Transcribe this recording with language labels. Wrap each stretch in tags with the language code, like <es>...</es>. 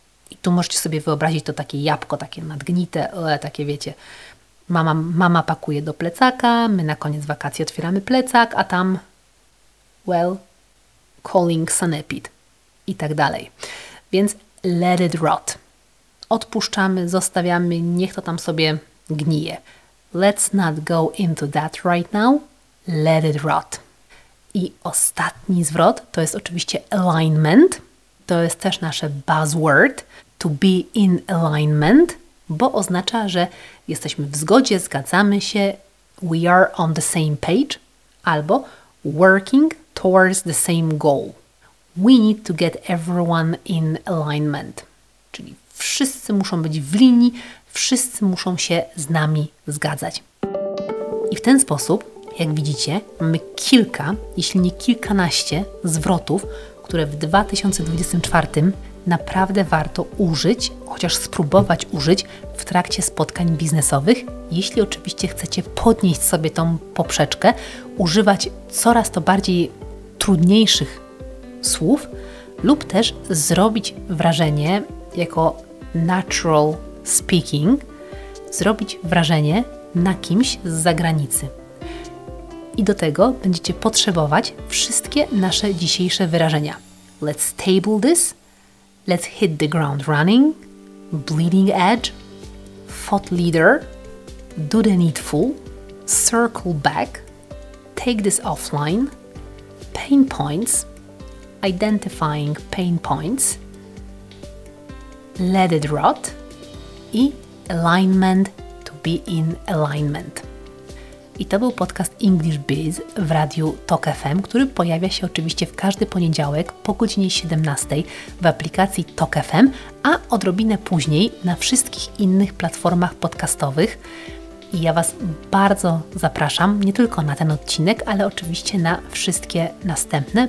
<pl>I tu możecie sobie wyobrazić to takie jabłko, takie nadgnite, takie wiecie, mama pakuje do plecaka, my na koniec wakacji otwieramy plecak, a tam,</pl> <en>well, calling</en> <pl>sanepid i tak dalej. Więc</pl> <en>let it rot.</en> <pl>Odpuszczamy, zostawiamy, niech to tam sobie gnije.</pl> <en>Let's not go into that right now. Let it rot.</en> <pl>I ostatni zwrot to jest oczywiście alignment. To jest też nasze buzzword.</pl> <en>to be in alignment,</en> <pl>bo oznacza, że jesteśmy w zgodzie, zgadzamy się,</pl> <en>we are on the same page,</en> <pl>albo</pl> <en>working towards the same goal. We need to get everyone in alignment.</en> <pl>Czyli wszyscy muszą być w linii, wszyscy muszą się z nami zgadzać. I w ten sposób, jak widzicie, mamy kilka, jeśli nie kilkanaście zwrotów, które w 2024 naprawdę warto użyć, chociaż spróbować użyć w trakcie spotkań biznesowych, jeśli oczywiście chcecie podnieść sobie tą poprzeczkę, używać coraz to bardziej trudniejszych słów lub też zrobić wrażenie jako</pl> <en>natural speaking,</en> <pl>zrobić wrażenie na kimś z zagranicy. I do tego będziecie potrzebować wszystkie nasze dzisiejsze wyrażenia.</pl> <en>Let's table this, let's hit the ground running, bleeding edge, thought leader, do the needful, circle back, take this offline, pain points, identifying pain points, let it rot i alignment to be in alignment.</en> <pl>I to był podcast English Biz w radiu Talk FM, który pojawia się oczywiście w każdy poniedziałek po godzinie 17 w aplikacji Talk FM, a odrobinę później na wszystkich innych platformach podcastowych. I ja Was bardzo zapraszam nie tylko na ten odcinek, ale oczywiście na wszystkie następne.</pl>